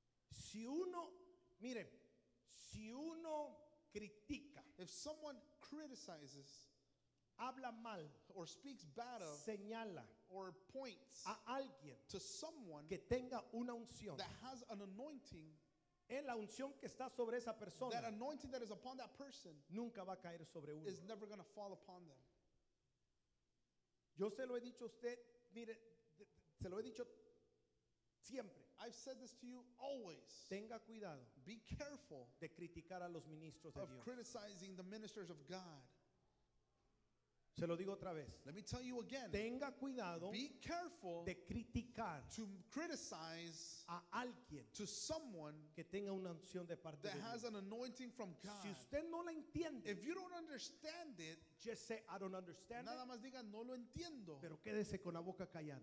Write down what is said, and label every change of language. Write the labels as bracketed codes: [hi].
[es] Si uno, mire, si uno critica, [en] if someone criticizes, [es] habla mal, [en] or speaks bad of, [es] señala, [en] or points [es] a alguien, [en] to someone [es] que tenga una unción, [en] that has an anointing, [es] en la unción que está sobre esa persona, [en] that anointing that is upon that person, [es] nunca va a caer sobre uno, [en] is never going to fall upon them. [es] Yo se lo he dicho a usted, mire, se lo he dicho siempre. [en] I've said this to you always. [es] Tenga cuidado. [en] Be careful [es] de criticar a los ministros de Dios. [en] Of criticizing the ministers of God. [es] Se lo digo otra vez. [en] Let me tell you again. [es] Tenga cuidado. [en] Be careful [es] de criticar. [en] To criticize [es] a alguien. [en] To someone [es] que tenga una unción de parte de Dios. [en] That has an anointing from God. [es] Si usted no la entiende. [en] If you don't understand it. Just say I don't understand. [es] Nada más diga no lo entiendo. Pero quédese con la boca callada.